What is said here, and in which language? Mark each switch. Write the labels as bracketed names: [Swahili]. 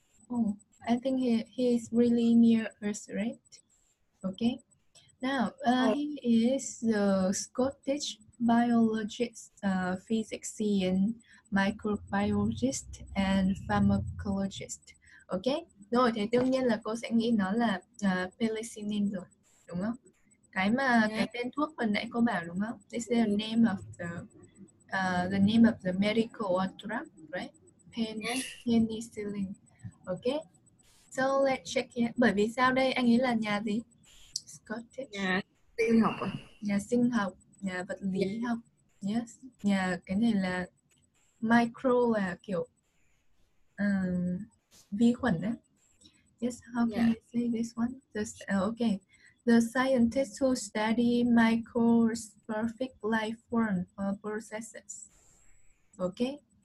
[English] Oh, I think he is really near Earth, right? Okay. Now, he is the Scottish biologist, physics and microbiologist and pharmacologist. Okay? [Vietnamese] Rồi, thì đương nhiên là cô sẽ nghĩ nó là penicillin rồi, đúng không? Cái mà cái tên thuốc hồi nãy cô bảo đúng không? [English] This is the name of the name of the medical drug, right? [Vietnamese] Penicillin. [English] Okay. So let's check it. [Vietnamese] Bởi vì sao đây? Anh ấy là nhà gì? Scottish. Nhà sinh học. Nhà sinh học, nhà vật lý học. Yes. Nhà cái này là micro là kiểu vi khuẩn đấy. [English] Yes. How can you say this one? Okay. The scientist who study microscopic life form or processes. Okay.